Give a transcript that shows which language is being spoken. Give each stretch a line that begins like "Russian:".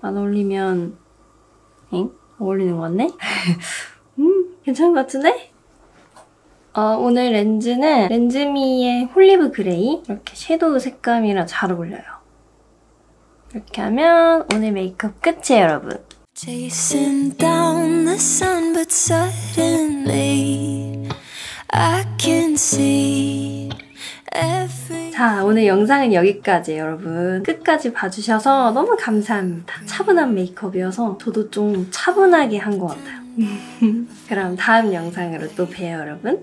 Korean: 안 어울리면... 엥? 어울리는 것 같네? 괜찮은 것 같은데? 오늘 렌즈는 렌즈미의 홀리브 그레이. 이렇게 섀도우 색감이랑 잘 어울려요. 이렇게 하면 오늘 메이크업 끝이에요, 여러분.
English: Chasing down the sun, but suddenly I can see.
Korean: 자, 오늘 영상은 여기까지예요, 여러분. 끝까지 봐주셔서 너무 감사합니다. 차분한 메이크업이어서 저도 좀 차분하게 한 것 같아요. 그럼 다음 영상으로 또 봬요, 여러분.